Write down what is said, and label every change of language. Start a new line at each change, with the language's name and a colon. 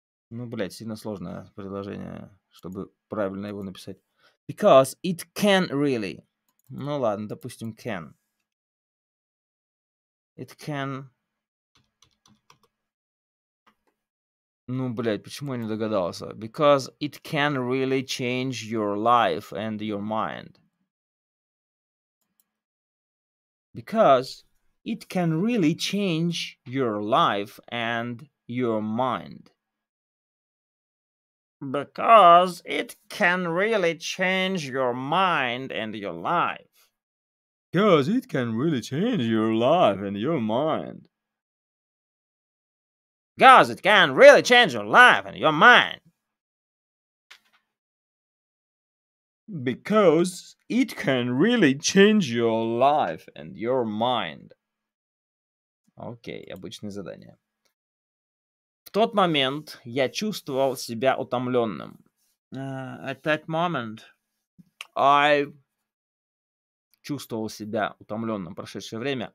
Russian: Ну, блядь, сильно сложное предложение, чтобы правильно его написать.
English: Because it can really.
Russian: Ну ладно, допустим,
English: can. It can.
Russian: Ну, блядь, почему я не догадался?
English: Because it can really change your life and your mind. Because it can really change your life and your mind. Because it can really change your mind and your life. Because it can really change your life and your mind. Because it can really change your life and your mind. Because it can really change your life and your mind.
Russian: Окей, обычное задание. В тот момент я чувствовал себя утомленным.
English: At that moment, I...
Russian: Чувствовал себя утомленным в прошедшее время.